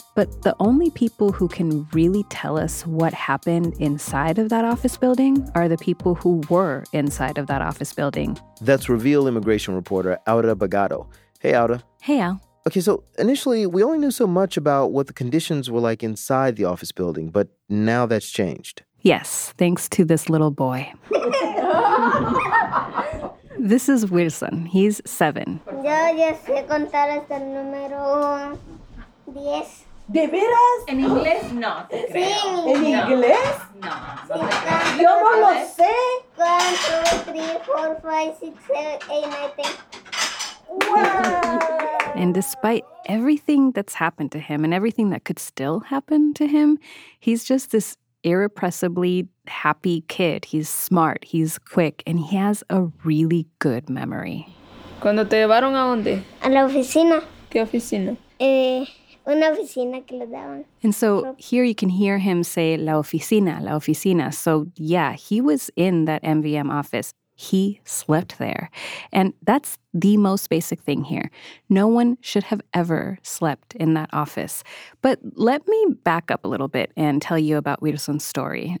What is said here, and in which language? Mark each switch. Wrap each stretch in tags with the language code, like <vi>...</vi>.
<en>But the only people who can really tell us what happened inside of that office building are the people who were inside of that office building. That's Reveal immigration reporter Aura Bagato. Hey, Aura. Hey, Al. Okay, so initially, we only knew so much about what the conditions were like inside the office building, but now that's changed. Yes, thanks to this little boy. This is Wilson. He's 7.</en> <es>Yo ya sé contar hasta el número 10. ¿De veras? En inglés, no. Sí, en inglés. No. No. Yo no lo sé.</es> <en>1, 2, 3, 4, 5, 6, 7, 8, 9, 10. And despite everything that's happened to him and everything that could still happen to him, he's just this irrepressibly happy kid. He's smart, he's quick, and he has a really good memory.</en> <es>¿Cuándo te llevaron a dónde? A la oficina. ¿Qué oficina? Una oficina que le daban.</es> <en>And so here you can hear him say,</en> <es>la oficina, la oficina.</es> <en>So yeah, he was in that MVM office. He slept there. And that's the most basic thing here. No one should have ever slept in that office. But let me back up a little bit and tell you about Wilson's story.</en>